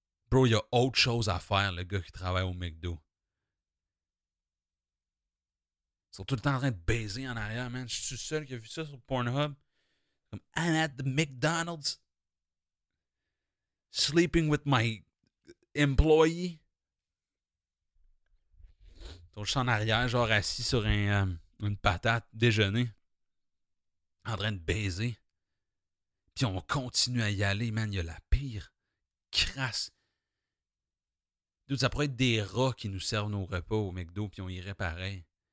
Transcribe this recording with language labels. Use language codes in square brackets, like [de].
[fr] Bro, il y a autre chose à faire, le gars qui travaille au McDo. Ils sont tout le temps en train de baiser en arrière, man. Je suis seul qui a vu ça sur Pornhub. [en] Comme, I'm at the McDonald's. Sleeping with my employee. [fr] Ils sont juste en arrière, genre assis sur une patate, déjeuner. En train de baiser. Puis on continue à y aller, man. Il y a la pire crasse. Ça pourrait être des rats qui nous servent nos repas au McDo, puis on irait pareil.